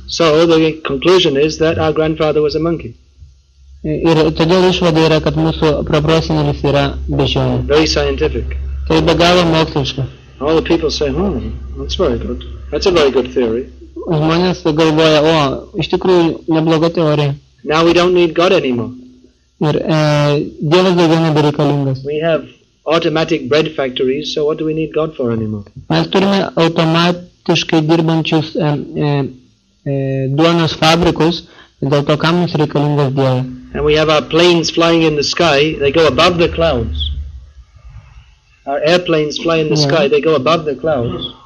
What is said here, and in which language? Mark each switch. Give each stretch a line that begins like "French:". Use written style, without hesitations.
English: So the conclusion is that our grandfather was a monkey.
Lithuanian: Ir todėl išvada yra, kad mūsų proprosenelis yra beždžionė.
English: Very scientific.
Lithuanian: Tai be galo moksliška.
English: All the people say, oh, that's very good. That's a very good theory.
Lithuanian: Žmonės galvoja, o, iš tikrųjų nebloga teorija.
English: Now we don't need God anymore.
Lithuanian: Ir Dievas daugiau nebereikalingas.
English: We have automatic bread factories, so what do we need God for anymore?
Lithuanian: Mes turime automatiškai dirbančius duonos fabrikus, dėl to kam mums reikalingas Dievas.
English: And we have our planes flying in the sky, they go above the clouds. Our airplanes fly in the sky, they go above the clouds.